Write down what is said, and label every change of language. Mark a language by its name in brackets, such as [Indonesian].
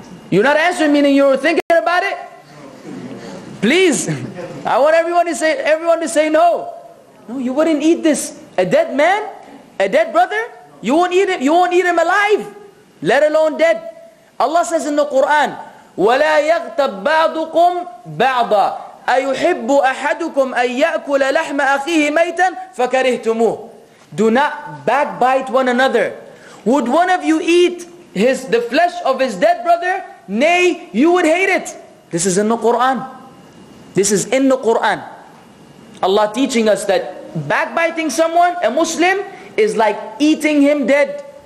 [English] You're not answering, meaning you're thinking about it? Please, I want everyone to say no. No, you wouldn't eat this. A dead man? A dead brother? You won't eat him. You won't eat him alive, let alone dead. Allah says in the Quran, [Arabic] وَلَا يَغْتَبْ بَعْضُكُمْ بَعْضًا أَيُحِبُّ أَحَدُكُمْ أَن يَأْكُلَ لَحْمَ أَخِيهِ مَيْتًا فَكَرِهْتُمُهُ. [English] Do not backbite one another. Would one of you eat the flesh of his dead brother? Nay, you would hate it. This is in the Quran. This is in the Quran. Allah teaching us that backbiting someone, a Muslim, is like eating him dead.